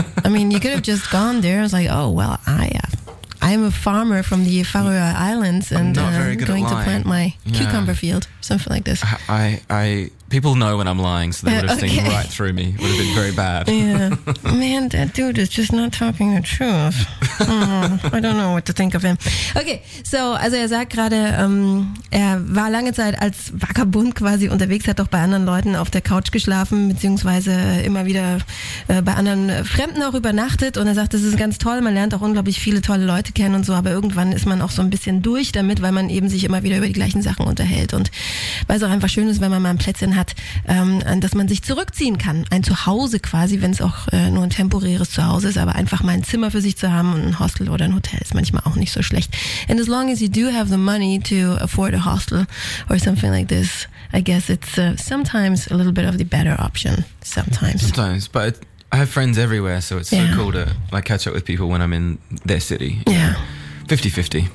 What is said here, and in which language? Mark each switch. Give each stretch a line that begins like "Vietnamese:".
English: I mean, you could have just gone there and was like, oh, well, I'm a farmer from the Faroe Islands and I'm going to plant my cucumber field, something like this. I people know when I'm lying, so they would have seen right through me. It would have been very bad. Yeah. Man, that dude is just not talking the truth. I don't know what to think of him.
German: Okay, so, also er sagt gerade, er war lange Zeit als Vagabund quasi unterwegs, hat auch bei anderen Leuten auf der Couch geschlafen, beziehungsweise immer wieder bei anderen Fremden auch übernachtet. Und er sagt, das ist ganz toll, man lernt auch unglaublich viele tolle Leute kennen und so, aber irgendwann ist man auch so ein bisschen durch damit, weil man eben sich immer wieder über die gleichen Sachen unterhält. Und weil es auch einfach schön ist, wenn man mal ein Plätzchen hat, dass man sich zurückziehen kann. Ein Zuhause quasi, wenn es auch nur ein temporäres Zuhause ist, aber einfach mal ein Zimmer für sich zu haben und ein Hostel oder ein Hotel ist manchmal auch nicht so schlecht.
English: And as long as you do have the money to afford a hostel or something like this, I guess it's sometimes a little bit of the better option. Sometimes. But I have friends everywhere, so it's so cool to like catch up with people when I'm in their city. Yeah. 50-50.